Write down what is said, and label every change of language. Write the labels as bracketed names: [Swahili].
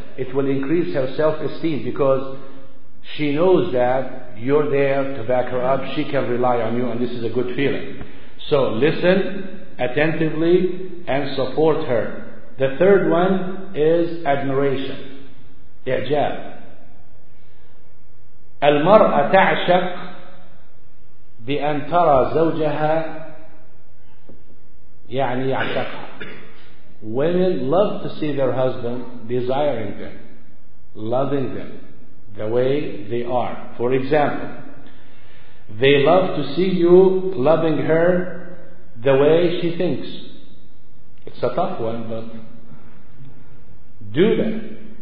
[English] It will increase her self-esteem because she knows that you're there to back her up. She can rely on you, and this is a good feeling. So listen attentively and support her. The third one is admiration. [Arabic] إعجاب. المرأة تعشق بأن ترى زوجها يعني يعشقها. [English] Women love to see their husband desiring them, loving them the way they are. For example, they love to see you loving her the way she thinks. It's a tough one, but do that.